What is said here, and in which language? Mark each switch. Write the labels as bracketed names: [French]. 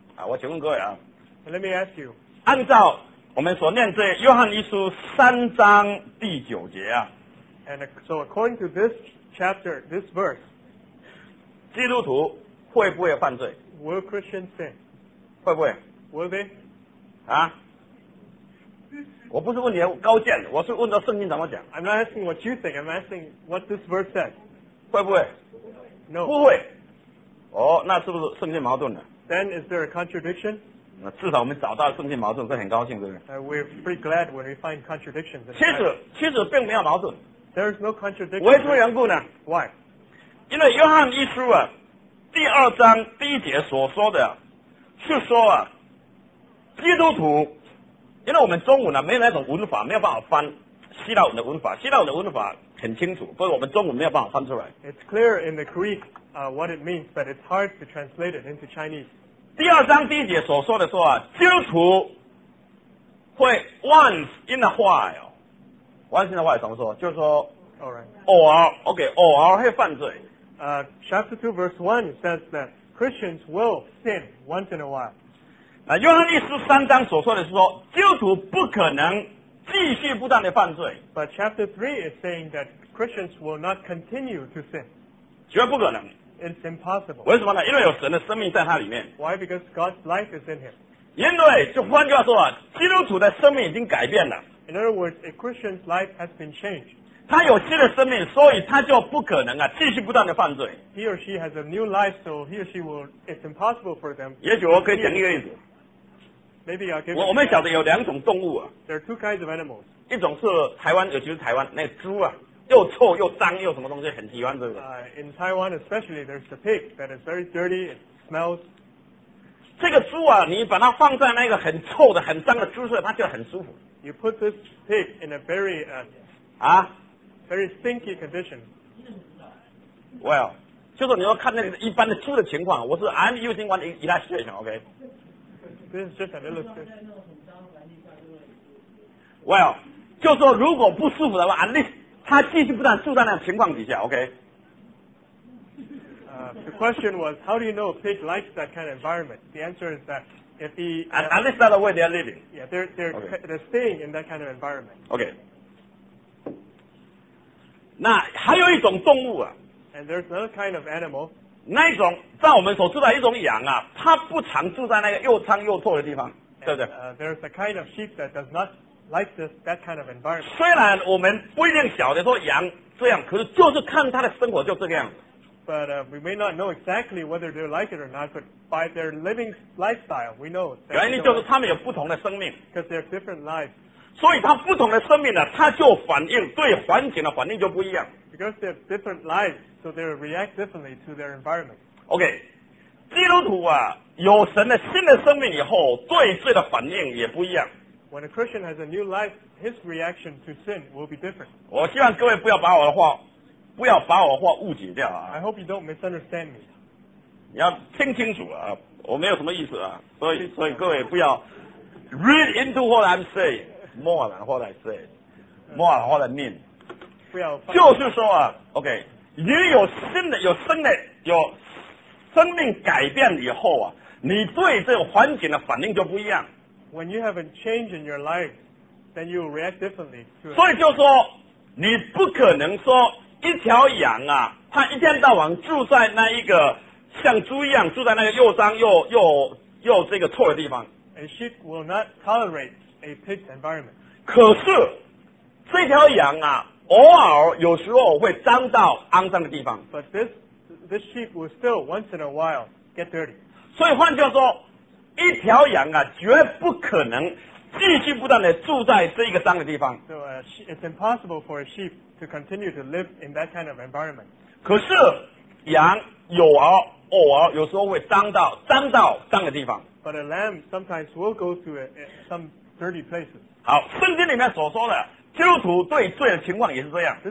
[Chinese] 啊，我请问各位啊。 [English] Let me ask you. [Chinese] 按照我们所念这约翰一书三章第九节啊。 [English] And so according to this chapter, this verse, [Chinese] 基督徒会不会犯罪 [English] ？Will Christians sin? [Chinese] 会不会 [English] ？Will they? 啊？ [Chinese] 我不是问你的高见，我是问到圣经怎么讲。 [English] I'm not asking what you think. I'm asking what this verse says. [Chinese] 会不会 [English] ？No. [Chinese] 不会。哦，那是不是圣经矛盾了 [English] ？Then is there a contradiction? [Chinese] 那至少我们找到圣经矛盾，是很高兴，对不对 [English] ？We're pretty glad when we find contradictions. [Chinese] 其实并没有矛盾。 [English] There is no contradiction. [Chinese] 为什么缘故呢 [English] ？Why？ [Chinese] 因为约翰一书啊，第二章第一节所说的，是说啊，基督徒，因为我们中文呢、啊、没有那种文法，没有办法翻希腊文的文法，希腊文的文法很清楚，所以我们中文没有办法翻出来。 [English] It's clear in the Greek, what it means, but it's hard to translate it into Chinese. [Chinese] 第二章第一节所说的说啊，基督徒会 [English] once in a while，once in a while [Chinese] 怎么说？就是说 偶尔会犯罪。 [English] Chapter 2 verse 1 says that Christians will sin once in a while。 [Chinese] 啊，约翰一书三章所说的是说，基督徒不可能继续不断的犯罪。 [English] But chapter 3 is saying that Christians will not continue to sin。 [Chinese] 绝不可能。 [English] It's impossible. [Chinese] 为什么呢？因为有神的生命在他里面。 [English] Why? Because God's life is in him. [Chinese] 因为就换句话说啊，基督徒的生命已经改变了。 [English] In other words, a Christian's life has been changed. [Chinese] 他有新的生命，所以他就不可能啊继续不断的犯罪。 [English] He or she has a new life, so he or she will. It's impossible for them. [Chinese] 也许我可以讲一个例子。 [English] Maybe I'll give. [Chinese] 我们晓得有两种动物啊。 [English] There are two kinds of animals. [Chinese] 一种是台湾，尤其是台湾那个、猪啊。又臭又脏又什么东西很喜欢这个。 [English] In Taiwan especially, there's the pig that is very dirty. It smells. [Chinese] 这个猪啊，你把它放在那个很臭的、很脏的猪舍，它就很舒服。 [English] You put this pig in a very very stinky condition. [Chinese] Well, 就是你要看那个一般的猪的情况。我是 [English] I'm using one illustration, OK? This is just an illustration. [Chinese] Well, 就说如果不舒服的话 ， [English] at least [Chinese] 他继续不断住在那情况底下 ，OK？ [English] The question was, how do you know a pig likes that kind of environment? The answer is that if he at least that way they are living. Yeah, they're、okay. they're staying in that kind of environment. OK. [Chinese] 那还有一种动物啊 [English] ，and there's another kind of animal. [Chinese] 那一种在我们所知道一种羊啊，它不常住在那个又脏又臭的地方， [English] and, [Chinese] 对不对 [English] ？There's a kind of sheep that does not. Like this, that kind of environment. [Chinese] 虽然我们不一定晓得说羊这样，可是就是看它的生活就这个样子。 [English] But we may not know exactly whether they like it or not, but by their living lifestyle, we know. [Chinese] 原因就是他们有不同的生命。 [English] Because they have different lives. [Chinese] 所以它不同的生命呢，它就反应对环境的反应就不一样。 [English] Because they have different lives, so they react differently to their environment. [Chinese] OK, 基督徒啊，有神的新的生命以后，对罪的反应也不一样。 [English] When a Christian has a new life, his reaction to sin will be different. [Chinese] 我希望各位不要把我的话，不要把我的话误解掉啊。 [English] I hope you don't misunderstand me. [Chinese] 你要听清楚啊，我没有什么意思啊，所以各位不要 [English] read into what I'm saying, more than what I say, more than what I mean. [Chinese] 不要。就是说啊 ，OK， 你有新的，有生的，有生命改变以后啊，你对这个环境的反应就不一样。 [English] When you have a change in your life, then you react differently to it. [Chinese] 所以就说，你不可能说一条羊啊，它一天到晚住在那一个像猪一样住在那个又脏又这个臭的地方。 [English] A sheep will not tolerate a pig's environment. [Chinese] 可是，这条羊啊，偶尔有时候会脏到肮脏的地方。 [English] But this sheep will still once in a while get dirty. [Chinese] 所以换句话说。一条羊啊，绝不可能继续不断的住在这一个脏的地方。 [English] So, it's impossible for a sheep to continue to live in that kind of environment. [Chinese] 可是羊有啊，偶尔有时候会脏到脏的地方。 [English] But a lamb sometimes will go to some dirty places. [Chinese] 好，圣经里面所说的基督徒对罪的情况也是这样。